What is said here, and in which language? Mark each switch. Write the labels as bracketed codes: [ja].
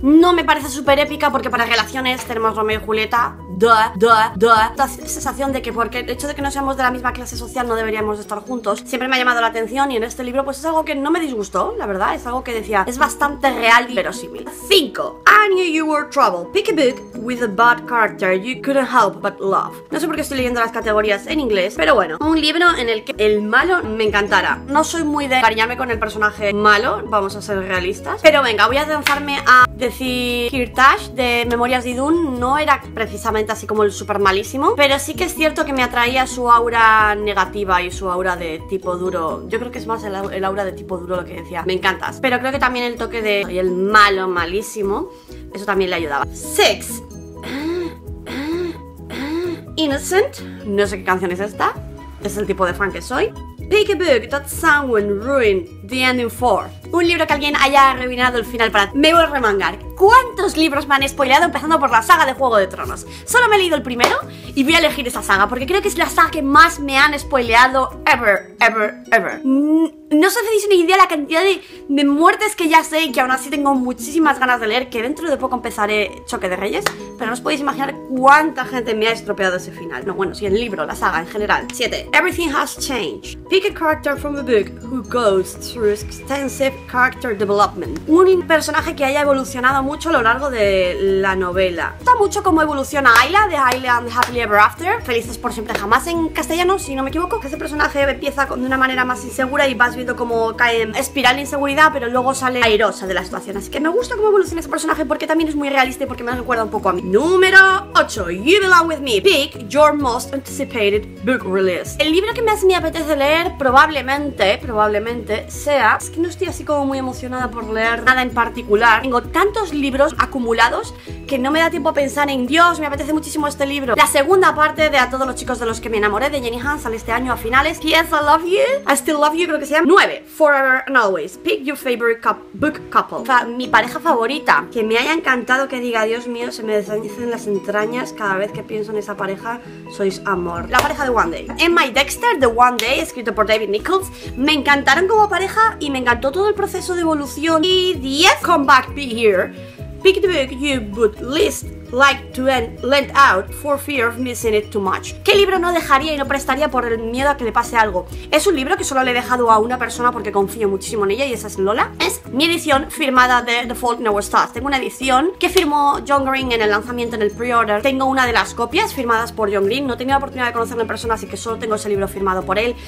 [es] No me parece súper épica porque para relaciones tenemos Romeo y Julieta. Esta sensación de que porque el hecho de que no seamos de la misma clase social no deberíamos estar juntos siempre me ha llamado la atención, y en este libro pues es algo que no me disgustó, la verdad. Es algo que decía, es bastante real y verosímil. [en] 5. I Knew You Were Trouble. Pick a book with a bad character you couldn't help but love. [es] No sé por qué estoy leyendo las categorías en inglés, pero bueno, un libro en el que el malo me encantara. No soy muy de cariñarme con el personaje malo, vamos a ser realistas, pero venga, voy a lanzarme a decir Kirtash de Memorias de Idun. No era precisamente así como el súper malísimo, pero sí que es cierto que me atraía su aura negativa y su aura de tipo duro. Yo creo que es más el aura de tipo duro lo que decía, me encantas, pero creo que también el toque de soy el malo malísimo, eso también le ayudaba. 6. Innocent. No sé qué canción es esta, es el tipo de fan que soy. [en] Pick a book that someone ruined the ending for. [es] Un libro que alguien haya arruinado el final para... Me voy a remangar. ¿Cuántos libros me han spoileado empezando por la saga de Juego de Tronos? Solo me he leído el primero y voy a elegir esa saga porque creo que es la saga que más me han spoileado [en] ever, ever, ever. [es] No os hacéis ni idea la cantidad de muertes que ya sé y que aún así tengo muchísimas ganas de leer, que dentro de poco empezaré Choque de Reyes, pero no os podéis imaginar cuánta gente me ha estropeado ese final. No, bueno, sí, el libro, la saga en general. 7. [en] Everything has changed. Pick a character from a book who goes through extensive character development. [es] Un personaje que haya evolucionado mucho a lo largo de la novela. Me gusta mucho cómo evoluciona Ayla de Ayla and Happily Ever After. Felices por siempre jamás en castellano, si no me equivoco. Ese personaje empieza de una manera más insegura y vas viendo cómo cae en espiral de inseguridad, pero luego sale airosa de la situación. Así que me gusta cómo evoluciona ese personaje porque también es muy realista y porque me recuerda un poco a mí. Número 8. You Belong With Me. [en] Pick your most anticipated book release. [es] El libro que más me apetece leer probablemente sea... Es que no estoy así como muy emocionada por leer nada en particular. Tengo tantos libros acumulados que no me da tiempo a pensar en Dios, me apetece muchísimo este libro. La segunda parte de A Todos los Chicos de los que Me Enamoré, de Jenny Han, sale este año a finales. [en] Yes, I Love You. I Still Love You, creo que se llama. 9. Forever and Always. Pick your favorite book couple. [es] Mi pareja favorita. Que me haya encantado, que diga, Dios mío, se me desvanecen las entrañas cada vez que pienso en esa pareja. Sois amor. La pareja de One Day. Emma y Dexter, The One Day, escrito por David Nichols. Me encantaron como pareja y me encantó todo el proceso de evolución. Y 10. Come Back, Be Here. [en] Pick the book you would list like to lend out for fear of missing it too much. [es] ¿Qué libro no dejaría y no prestaría por el miedo a que le pase algo? Es un libro que solo le he dejado a una persona porque confío muchísimo en ella, y esa es Lola. Es mi edición firmada de The Fault in Our Stars. Tengo una edición que firmó John Green en el lanzamiento, en el pre-order. Tengo una de las copias firmadas por John Green. No he tenido la oportunidad de conocerlo en persona, así que solo tengo ese libro firmado por él.